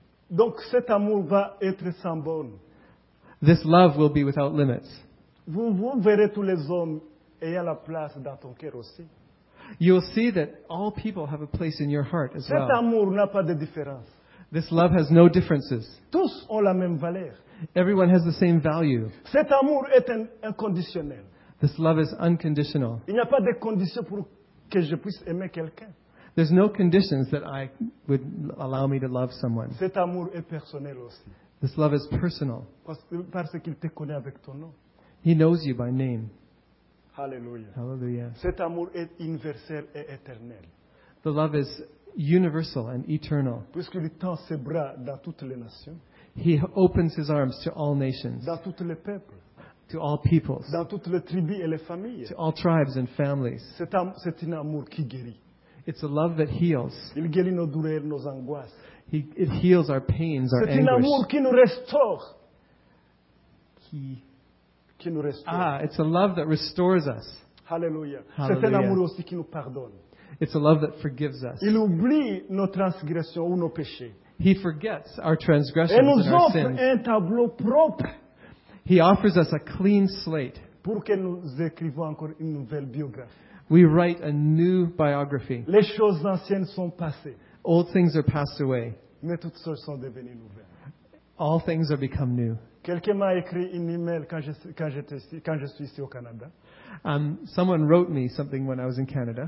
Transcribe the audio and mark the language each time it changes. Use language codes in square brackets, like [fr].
[fr] Donc cet amour va être sans borne. [en] This love will be without limits. [fr] Vous verrez tous les hommes ayant la place dans ton cœur aussi. [en] You will see that all people have a place in your heart as well. [fr] Cet amour n'a pas de différence. [en] This love has no differences. [fr] Tous ont la même valeur. [en] Everyone has the same value. [fr] Cet amour est inconditionnel. [en] This love is unconditional. [fr] Il n'y a pas de condition pour que je puisse aimer quelqu'un. [en] There's no conditions that I would allow me to love someone. [fr] Cet amour est personnel aussi. [en] This love is personal. [fr] Parce qu'il te connaît avec ton nom. [en] He knows you by name. [fr] Hallelujah. [en] Hallelujah. [fr] Cet amour est universel et éternel. [en] The love is universal and eternal. [fr] Puisqu'il tend ses bras dans toutes les nations. [en] He opens his arms to all nations. [fr] Dans toutes les peuples. [en] To all peoples. [fr] Dans toutes les tribus et les familles. [en] To all tribes and families. [fr] C'est un amour qui guérit. [en] It's a love that heals. [fr] Il guérit nos douleurs, nos angoisses. [en] It heals our pains, our anguish. [fr] C'est un amour qui nous restaure. Qui nous restaure. [en] It's a love that restores us. [fr] Hallelujah. [en] Hallelujah. [fr] C'est un amour aussi qui nous pardonne. [en] It's a love that forgives us. [fr] Il oublie nos transgressions ou nos péchés. [en] He forgets our transgressions and our sins. [fr] Et nous offre un tableau propre. [en] He offers us a clean slate. [fr] Pour que nous écrivions encore une nouvelle biographie. [en] We write a new biography. [fr] Les choses anciennes sont passées. [en] Old things are passed away. [fr] Mais toutes choses sont devenues nouvelles. [en] All things are become new. [fr] Quelqu'un m'a écrit un email quand je suis ici au Canada. [en] Someone wrote me something when I was in Canada.